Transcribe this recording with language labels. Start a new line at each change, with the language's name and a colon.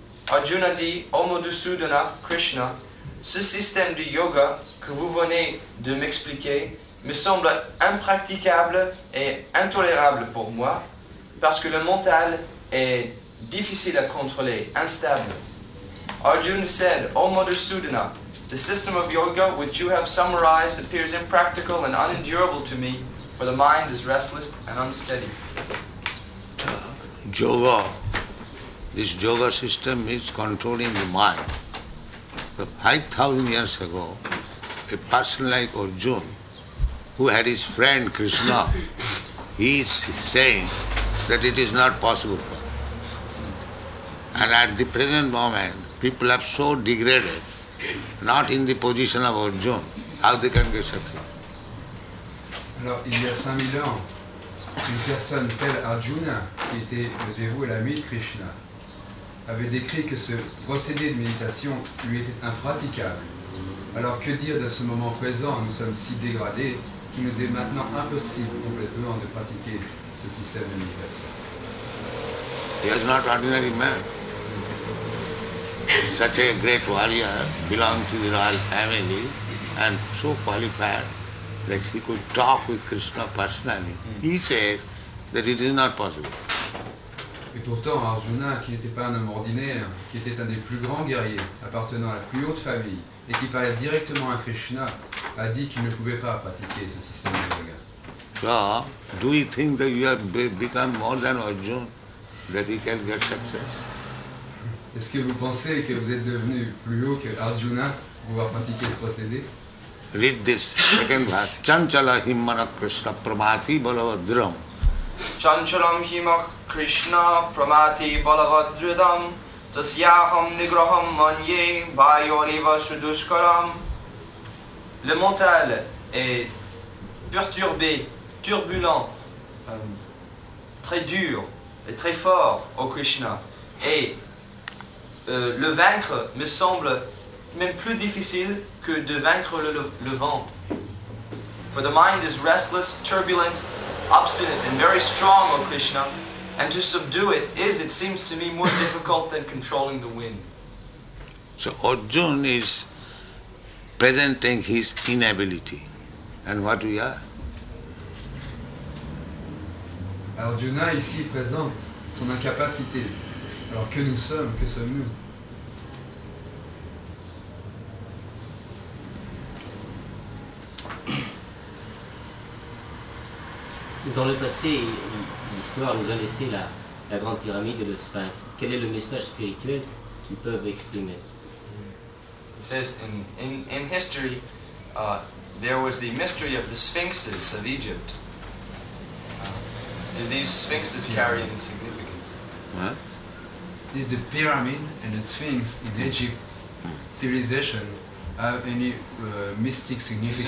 French: Arjuna dit, O Madhusudana, Krishna, ce système de yoga que vous venez de m'expliquer me semble impraticable et intolérable pour moi, parce que le mental est difficile à contrôler, instable.
English: Arjuna said, O Madhusudana, the system of yoga which you have summarized appears impractical and unendurable to me, for the mind is restless and unsteady. Yoga, this yoga system is controlling the mind. But 5,000 years ago, a person like Arjuna, who had his friend Krishna, he is saying that it is not possible for him. And at the present moment, people have so degraded, not in the position of Arjuna, how they can get succeed.
French: Alors, il y a 5000 ans, une personne telle Arjuna, qui était le dévoué et l'ami de Krishna, avait décrit que ce procédé de méditation lui était impraticable. Alors que dire de ce moment présent, nous sommes si dégradés, il nous est maintenant impossible complètement de pratiquer ce système de méditation.
English: He is not ordinary man. Such a great warrior belonged to the royal family and so qualified that he could talk with Krishna personally. He says that it is not possible.
French: Et pourtant Arjuna, qui n'était pas un homme ordinaire, qui était un des plus grands guerriers appartenant à la plus haute famille et qui parlait directement à Krishna, a dit qu'il ne pouvait pas pratiquer ce système de yoga.
English: So, do you think that you have become more than Arjuna, that you can get success?
French: Est-ce que vous pensez que vous êtes devenu plus haut que Arjuna pour pouvoir pratiquer ce procédé?
English: Read this, second verse.
Sanskrit: Chanchala himmana Krishna pramati balavadridham. Chanchalam himak Krishna pramati balavadridham. Tasyaham nigraham manye bayoriva sudushkaram.
French: Le mental est perturbé, turbulent, très dur et très fort au Krishna. Et le vaincre me semble même plus difficile que de vaincre le ventre.
English: For the mind is restless, turbulent, obstinate and very strong, O Krishna. And to subdue it is, it seems to me, more difficult than controlling the wind. So Arjuna is presenting his inability. And what we are?
French: Arjuna ici présente son incapacité. Alors que nous sommes, que sommes-nous? Mm. Dans le passé, l'histoire nous a laissé la grande pyramide et le sphinx. Quel est le message spirituel qu'ils peuvent exprimer?
English: He says, in history, there was the mystery of the sphinxes of Egypt. Do these sphinxes carry any significance? What? Is the pyramid and the sphinx in Egypt civilization have any mystic significance?